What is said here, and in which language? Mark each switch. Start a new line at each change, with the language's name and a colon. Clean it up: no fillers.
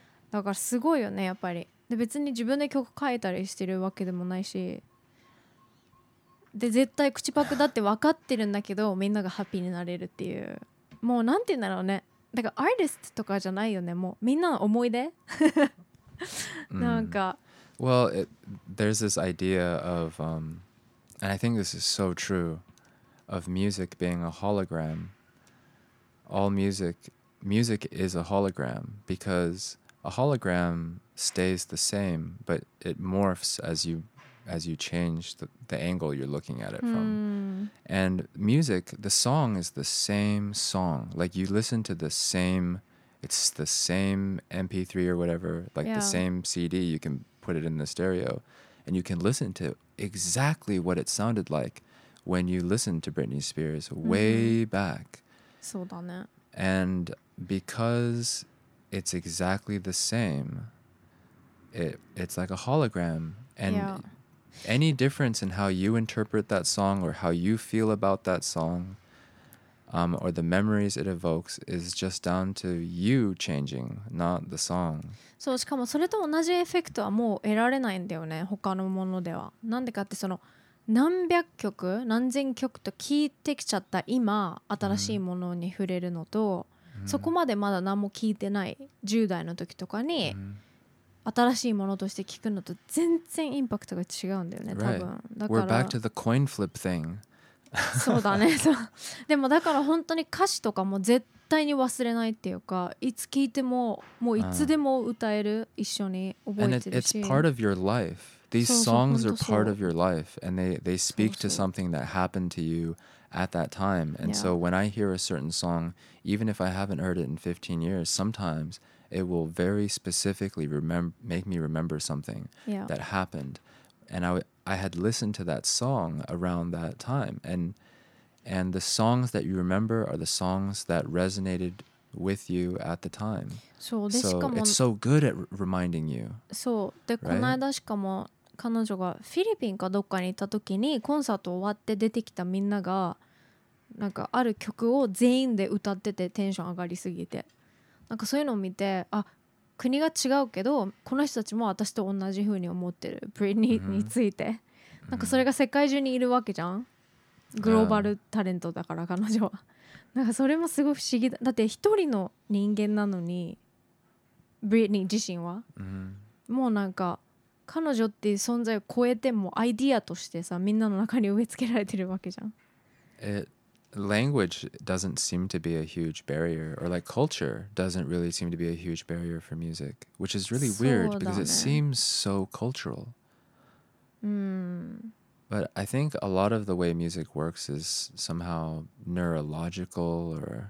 Japanese: だからすごいよねやっぱり。で別に自分で曲書いたりしてるわけでもないし、で絶対口パクだって分かってるんだけど、みんながハッピーになれるっていう、もうなんて言うんだろうね、だからアーティストとかじゃないよね、もうみんなの思い出。なんか、
English: Well, there's this idea of, and I think this is so true, of music being a hologram. All music is a hologram because a hologram stays the same, but it morphs as you change the angle you're looking at it from. And music, the song is the same song. Like you listen to the same, it's the same MP3 or whatever, like、yeah. the same CD you can... put it in the stereo and you can listen to exactly what it sounded like when you listened to Britney Spears way、mm-hmm. back.
Japanese: そうだね。
English: And because it's exactly the same, it's like a hologram. And、 yeah. any difference in how you interpret that song or how you feel about that song、or the memories it evokes is just down to you changing, not the song.
Japanese: そう、しかもそれと同じエフェクトはもう得られないんだよね、他のものでは。なんでかって、その何百曲何千曲と聞いてきちゃった今新しいものに触れるのと、そこまでまだ何も聞いてない10代の時とかに新しいものとして聞くのと全然インパクトが違うんだよね、多分、
English: right.
Japanese: だから
English: We're back to the coin flip thing.
Japanese: そうだね。そう、でもだから本当に歌詞とかも絶対絶対に忘れないっていうか、いつ聴いてももういつでも歌える、一緒に覚えてるし。
English: And it's part of your life. These songs are part of your life, and they speak to something that happened to you at that time. And so when I hear a certain song, even if I haven't heard it in 15 years, sometimes it will very specifically make me remember something that happened. And I had listened to that song around that time, and the songs that you remember are the songs that resonated with you at the time.
Japanese: そうで、しかも、
English: so it's so good at reminding you.
Japanese: そうで、right? この間しかも彼女がフィリピンかどっかに行った時にコンサート終わって出てきたみんながなんかある曲を全員で歌っててテンション上がりすぎて、なんかそういうのを見て、あ、国が違うけどこの人たちも私と同じ風に思ってる、ブリニーについて、mm-hmm. なんかそれが世界中にいるわけじゃん、グローバルタレントだから彼女は、なんかそれもすごい不思議だ。だって一人の人間なのに、ブリッニー自身は、うん、もうなんか彼女っていう存在を超えて、もうアイディアとしてさ、みんなの中に植え付けられてるわけじゃん。
English: Language doesn't seem to be a huge barrier, or like culture doesn't really seem to be a huge barrier for music, which is really weird、ね、 because it seems so cultural. うん。 But I think a lot of the way music works is somehow neurological or